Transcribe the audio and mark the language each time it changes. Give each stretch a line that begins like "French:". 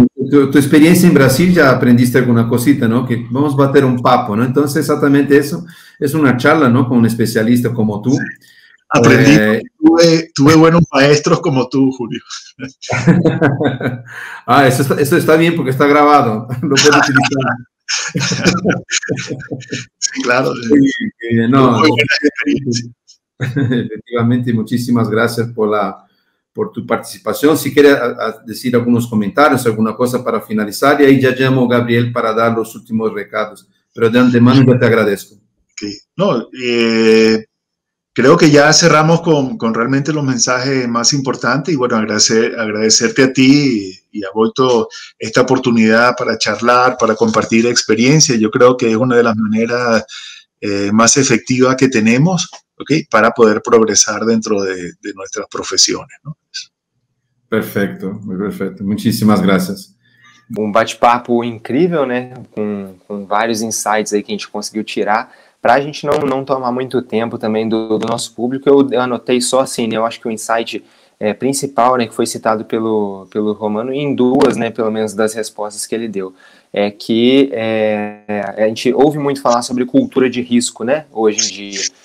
Portuguese: Tua experiência em Brasil, já aprendiste alguma cosita, não? Que vamos bater um papo, não? Então, exatamente isso. É uma charla, não? Com um especialista como tu. Sim. Aprendi.
Spanish: Tuve buenos maestros como tu, Julio. Ah, eso está bien porque está grabado. Lo puedo utilizar. Sí, claro. No, muy buena experiencia. Efectivamente, muchísimas gracias por tu participación. Si quieres decir algunos comentarios, alguna cosa para finalizar, y ahí ya llamo a Gabriel para dar los últimos recados. Pero de antemano yo te agradezco. Sí. No, creo que ya cerramos con realmente los mensajes más importantes. Y bueno, agradecerte a ti y a Boito esta oportunidad para charlar, para compartir experiencia. Yo creo que es una de las maneras más efectivas que tenemos. Okay, para poder progresar dentro de nuestras profesiones, ¿no? Perfecto, muy perfecto. Muchísimas gracias.
Portuguese: Un bate-papo incrível, né? Com vários insights aí que a gente conseguiu tirar. Para a gente não tomar muito tempo também do nosso público, eu anotei só assim, né? Eu acho que o insight principal, né, que foi citado pelo Romano, em duas, né, pelo menos das respostas que ele deu, é que a gente ouve muito falar sobre cultura de risco, né, hoje em dia,